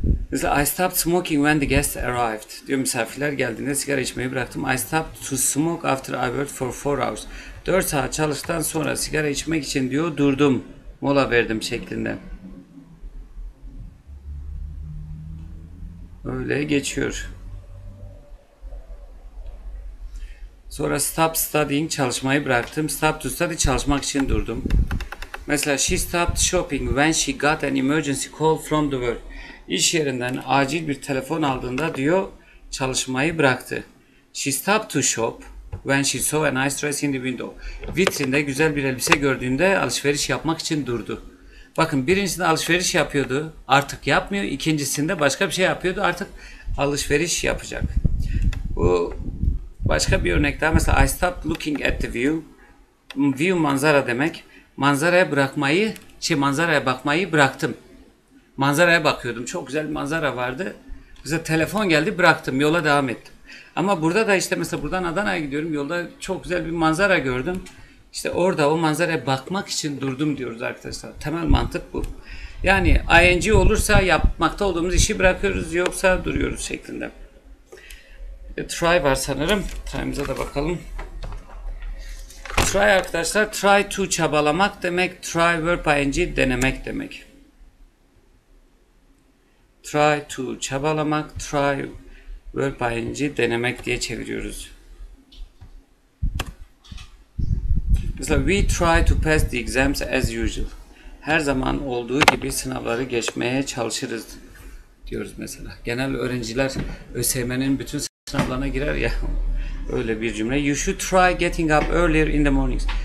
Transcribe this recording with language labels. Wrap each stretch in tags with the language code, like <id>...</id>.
<tr>Mesela</tr> <en>I stopped smoking when the guests arrived.</en> <tr>Diyor misafirler geldiğinde sigara içmeyi bıraktım.</tr> <en>I stopped to smoke after I worked for 4 hours.</en> <tr>4 saat çalıştıktan sonra sigara içmek için diyor durdum. Mola verdim şeklinde. Öyle geçiyor. Sonra</tr> <en>stop studying,</en> <tr>çalışmayı bıraktım.</tr> <en>Stop to study,</en> <tr>çalışmak için durdum. Mesela</tr> <en>she stopped shopping when she got an emergency call from the work.</en> <tr>İş yerinden acil bir telefon aldığında diyor çalışmayı bıraktı.</tr> <en>She stopped to shop when she saw a nice dress in the window.</en> <tr>Vitrinde güzel bir elbise gördüğünde alışveriş yapmak için durdu. Bakın birincisinde alışveriş yapıyordu, artık yapmıyor. İkincisinde başka bir şey yapıyordu, artık alışveriş yapacak. Bu başka bir örnek daha, mesela</tr> <en>I stopped looking at the view.</en> <tr>View manzara demek. Manzaraya bırakmayı manzaraya bakmayı bıraktım. Manzaraya bakıyordum. Çok güzel bir manzara vardı. Bize telefon geldi, bıraktım. Yola devam ettim. Ama burada da işte mesela buradan Adana'ya gidiyorum. Yolda çok güzel bir manzara gördüm. İşte orada o manzaraya bakmak için durdum diyoruz arkadaşlar. Temel mantık bu. Yani ING olursa yapmakta olduğumuz işi bırakıyoruz, yoksa duruyoruz şeklinde. Try var sanırım. Try'ımıza da bakalım. Try arkadaşlar, try to çabalamak demek. Try verb ing denemek demek. Try to çabalamak, try verb ing denemek diye çeviriyoruz. Mesela</tr> <en>we try to pass the exams as usual.</en> <tr>Her zaman olduğu gibi sınavları geçmeye çalışırız diyoruz mesela. Genel öğrenciler ÖSYM'nin bütün sınavlarına girer ya. Öyle bir cümle.</tr> <en>You should try getting up earlier in the mornings.</en>